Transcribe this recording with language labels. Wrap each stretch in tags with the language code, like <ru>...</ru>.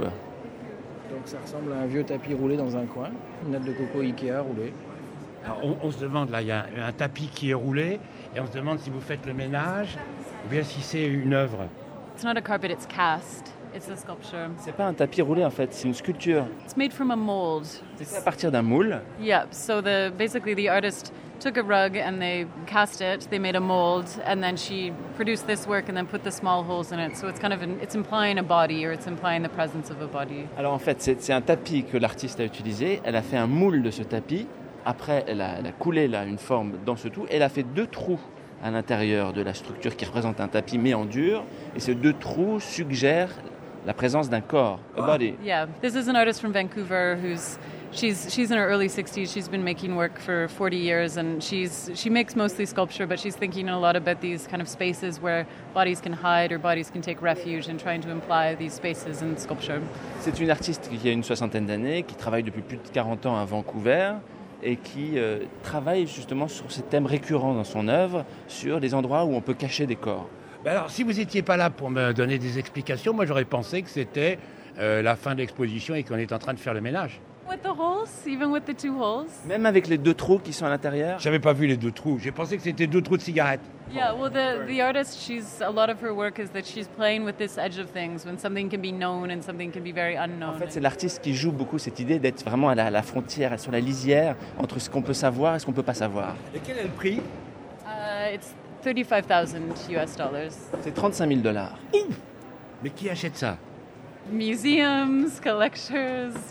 <fr>Donc ça ressemble à un vieux tapis roulé dans un coin, une natte de coco Ikea roulée. Alors, on se demande, là, il y a un tapis qui est roulé et on se demande si vous faites le ménage ou bien si c'est une œuvre.</fr> <en>It's not a carpet, it's cast. It's a sculpture.</en> <fr>C'est pas un tapis roulé, en fait, c'est une sculpture.</fr> <en>It's made from a mold.</en> <fr>C'est fait à partir d'un moule.</fr> <en>Yep, so basically the artist took a rug and they cast it, they made a mold, and then she produced this work and then put the small holes in it. So it's kind of, it's implying a body or it's implying the presence of a body.</en> <fr>Alors, en fait, c'est un tapis que l'artiste a utilisé. Elle a fait un moule de ce tapis. Après, elle a coulé là, une forme dans ce tout. Elle a fait deux trous à l'intérieur de la structure qui représente un tapis mais en dur. Et ces deux trous suggèrent la présence d'un corps,</fr> <en>a body. Yeah, this is an artist from Vancouver who's she's in her early 60s. She's been making work for 40 years and she makes mostly sculpture, but she's thinking a lot about these kind of spaces where bodies can hide or bodies can take refuge and trying to imply these spaces in sculpture.</en> <fr>C'est une artiste qui a une soixantaine d'années, qui travaille depuis plus de 40 ans à Vancouver. Et qui travaille justement sur ces thèmes récurrents dans son œuvre, sur les endroits où on peut cacher des corps. Ben alors, si vous n'étiez pas là pour me donner des explications, moi j'aurais pensé que c'était la fin de l'exposition et qu'on est en train de faire le ménage.</fr> <en>With the holes, even with the two holes.</en> <fr>Même avec les deux trous qui sont à l'intérieur. J'avais pas vu les deux trous. J'ai pensé que c'était deux trous de cigarette.</fr> <en>Yeah, well, the artist, she's a lot of her work is that she's playing with this edge of things when something can be known and something can be very unknown.</en> <fr>En fait, c'est l'artiste qui joue beaucoup cette idée d'être vraiment à la frontière, sur la lisière entre ce qu'on peut savoir et ce qu'on peut pas savoir. Et quel est le prix?</fr> <en>It's $35,000.</en> <fr>C'est 35 000 dollars. Mais qui achète ça?</fr> <en>Museums, collectors.</en>